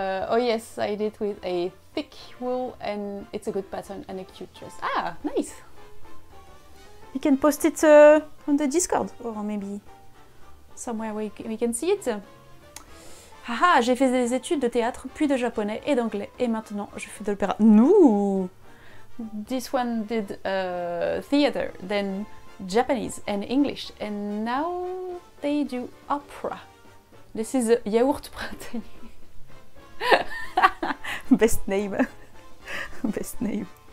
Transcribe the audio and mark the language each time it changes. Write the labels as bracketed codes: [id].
[en] Oh yes, I did with a thick wool and it's a good pattern and a cute dress. Ah, nice. You can post it on the Discord or maybe somewhere where we can see it. [fr] Haha, j'ai fait des études de théâtre, puis de japonais et d'anglais, et maintenant je fais de l'opéra. [en] No! This one did theater, then Japanese and English, and now they do opera. This is Yaourt Printanier. Best name. Best name.